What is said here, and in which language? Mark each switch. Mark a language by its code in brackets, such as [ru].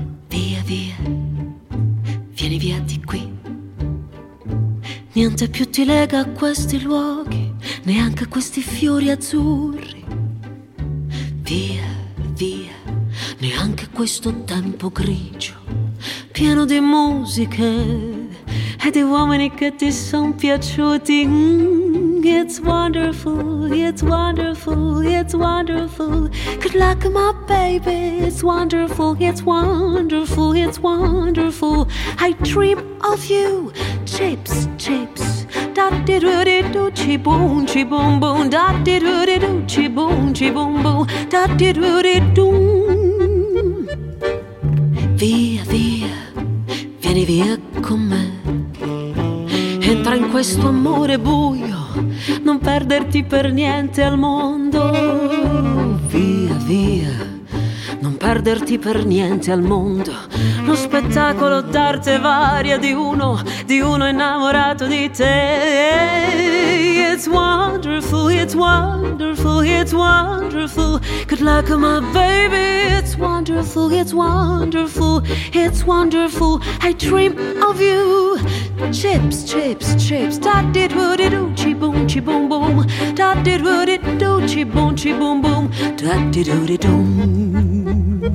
[it] Via via, vieni via di qui, niente più ti lega a questi luoghi, neanche a questi fiori azzurri. Via via, neanche questo tempo grigio pieno di musiche e di uomini che ti sono piaciuti. [en] It's wonderful, it's wonderful, it's wonderful. Good luck, my baby. It's wonderful, it's wonderful, it's wonderful. I dream of you. Chips, chips. Da di do di do chi boom chi boom boom. Da di do di do chi boom chi boom boom. Da di do di do. [it] Via, via, vieni via con me. Entra in questo amore buio, non perderti per niente al mondo. Via, via, non perderti per niente al mondo. Lo spettacolo d'arte varia di uno innamorato di te. [en] It's wonderful, it's wonderful, it's wonderful. Good luck, my baby. It's wonderful, it's wonderful, it's wonderful. I dream of you. Chips, chips, chips. Da di do di do chi boom chi boom boom. Da di do di do chi boom chi boom boom. Da di do di do.